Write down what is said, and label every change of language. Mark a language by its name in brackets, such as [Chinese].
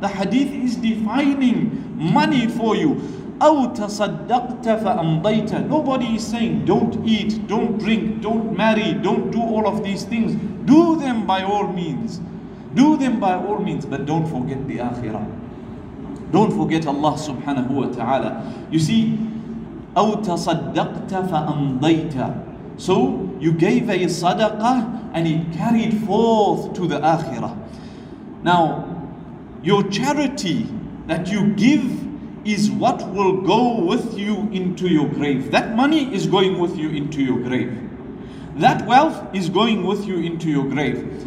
[English] The hadith is defining money for you. [Arabic] أَوْ تَصَدَّقْتَ فَأَمْضَيْتَ. [English] Nobody is saying, don't eat, don't drink, don't marry, don't do all of these things. Do them by all means. Do them by all means, but don't forget the akhirah. Don't forget Allah subhanahu wa ta'ala. You see, [Arabic] أَوْ تَصَدَّقْتَ فَأَمْضَيْتَ. [English] So you gave a sadaqah and it carried forth to the akhirah. Now, your charity that you give is what will go with you into your grave. That money is going with you into your grave. That wealth is going with you into your grave.